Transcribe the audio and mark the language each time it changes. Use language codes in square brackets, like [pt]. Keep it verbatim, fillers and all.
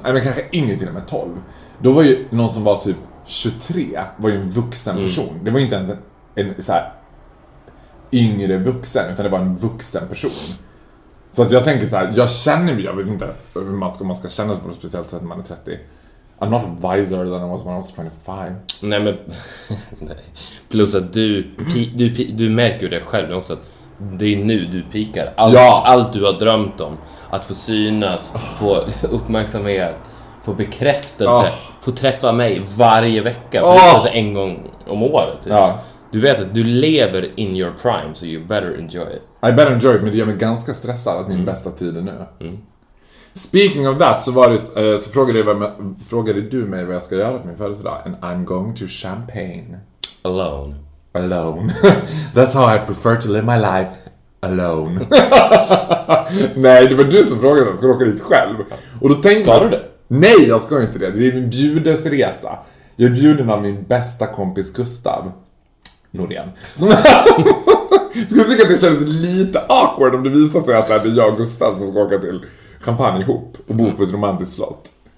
[sv] Nej men kanske ingenting med tolv. Då var ju någon som var typ tjugotre, var ju en vuxen person. Mm. Det var ju inte ens en, en så här, yngre vuxen, utan det var en vuxen person. Så att jag tänker så här, jag känner mig, jag vet inte hur man ska, man ska känna sig på något speciellt sätt när man är trettio. [en] I'm not wiser than I was when I was twenty-five. [sv] Nej men, nej. Plus att du, du, du märker ju det själv också, att det är nu du pikar. Allt, ja. allt du har drömt om, att få synas, få uppmärksamhet, få bekräftelse, oh. få träffa mig varje vecka, oh. alltså en gång om året. Ja. Du vet att du lever [en] in your prime, so you better enjoy it. I better enjoy it, [sv] men det gör mig ganska stressad att min mm. bästa tid är nu. Mm. [en] Speaking of that, [sv] så, var det, så frågade, jag, frågade du mig vad jag ska göra för min födelsedag. [en] And I'm going to Champagne. Alone. Alone. That's how I prefer to live my life. Alone. [sv] Nej, det var du som frågade mig. Ska du åka dit själv? Och då tänkte ska jag, du det? Nej, jag ska inte det. Det är min bjudesresa. Jag är bjuden av min bästa kompis Gustav. Norén. Som... Skulle tycka att det känns lite awkward om det visar sig att det är jag och Gustav som ska åka till Champagne ihop och bo på ett romantiskt slott.